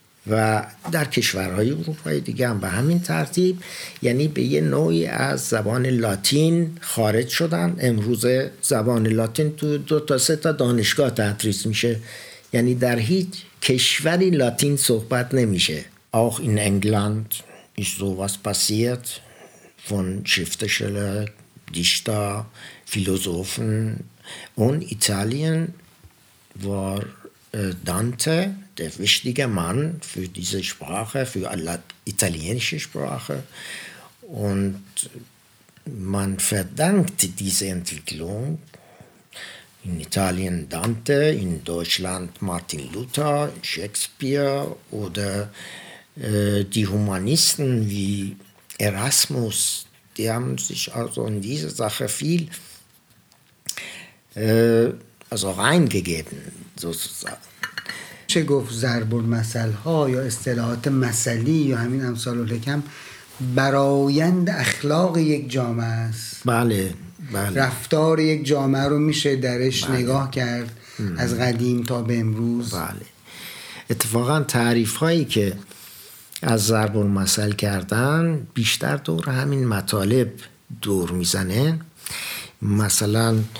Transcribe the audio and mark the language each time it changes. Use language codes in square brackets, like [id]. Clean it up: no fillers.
[fa] و در کشورهای اروپای دیگه هم به همین ترتیب یعنی به یه نوعی از زبان لاتین خارج شدن امروز زبان لاتین تو دو تا سه تا دانشگاه تدریس میشه یعنی در هیچ کشوری لاتین صحبت نمیشه [de] auch in England ist sowas passiert von Schriftsteller, Dichter, Philosophen und Italien war Dante der wichtige Mann für diese Sprache, für alle italienische Sprache. Und man verdankt diese Entwicklung in Italien Dante, in Deutschland Martin Luther, Shakespeare oder die Humanisten wie Erasmus, die haben sich also in diese Sache viel also reingegeben, sozusagen. [fa] چه گفت ضرب المثل ها یا اصطلاحات مثلی یا همین امثال الحکم برایند اخلاق یک جامعه است بله بله رفتار یک جامعه رو میشه درش بله. نگاه کرد از قدیم تا به امروز بله اتفاقا تعریف هایی که از ضرب المثل کردن بیشتر دور همین مطالب دور میزنه مثلا